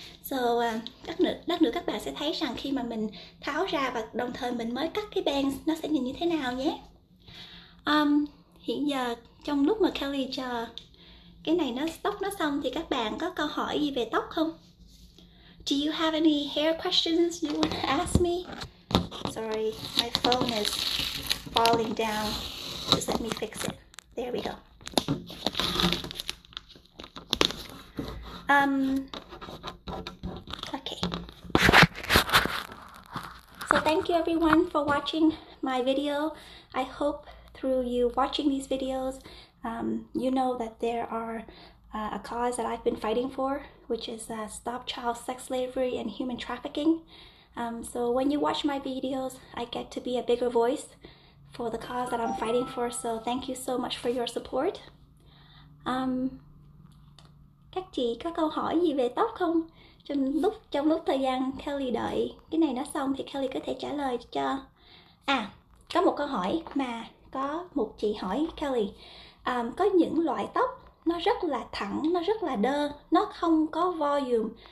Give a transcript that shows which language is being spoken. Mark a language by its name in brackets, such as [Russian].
[Vietnamese] So lát nữa các bạn sẽ thấy rằng khi mà mình tháo ra và đồng thời mình mới cắt cái bangs nó sẽ nhìn như thế nào nhé. Hiện giờ trong lúc mà Kelly chờ cái này nó tóc nó xong thì các bạn có câu hỏi gì về tóc không? [English] Do you have any hair questions you want to ask me? Sorry, my phone is falling down. Just let me fix it. There we go. Okay. So thank you everyone for watching my video. I hope through you watching these videos, you know that there are a cause that I've been fighting for, which is stop child sex slavery and human trafficking. So when you watch my videos, I get to be a bigger voice for the cause that I'm fighting for. So thank you so much for your support. [Vietnamese] Các chị có câu hỏi gì về tóc không? Trong lúc thời gian Kelly đợi cái này nó xong thì Kelly có thể trả lời cho. À, có một câu hỏi mà có một chị hỏi Kelly. Có những loại tóc nó rất là thẳng, nó rất là đơ, nó không có volume.